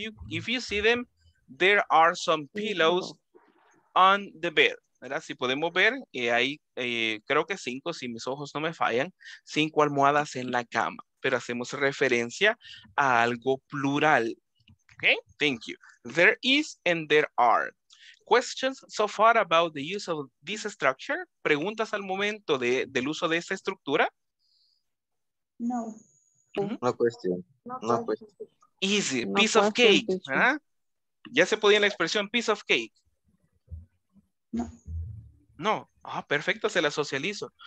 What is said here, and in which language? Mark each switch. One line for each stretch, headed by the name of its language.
English: If you see them, there are some pillows on the bed.
Spanish: ¿Verdad? Si podemos ver, creo que cinco, si mis ojos no me fallan, cinco almohadas en la cama. Pero hacemos referencia a algo plural.
English: Okay, thank you. There is and there are. Questions so far about the use of this structure?
Spanish: ¿Preguntas al momento del uso de esta estructura?
English: No question. Easy, no piece of cake.
Spanish: ¿Ya se podía la expresión
English: piece of cake?
Spanish: No. Ah, perfecto, se la socializo.